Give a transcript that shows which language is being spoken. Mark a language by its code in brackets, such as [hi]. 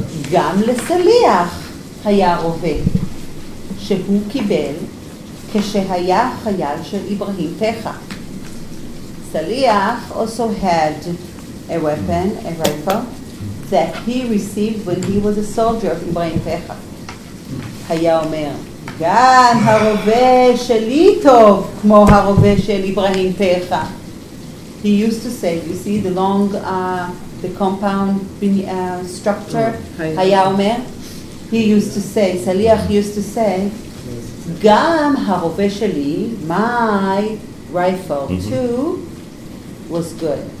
[he] גם לסליח היה רובה שהוא קיבל כשהיה חייל של אברהים פחה. [en] סליח also had a weapon, a rifle, that he received when he was a soldier of אברהים פחה. [he] היה אומר, גם הרובה שלי טוב כמו הרובה של אברהים פחה. [en] He used to say, you see the long the compound structure, [he] היה אומר, [en] he used to say, סליח used to say, [he] גם הרובה שלי, [en] my rifle too, was good.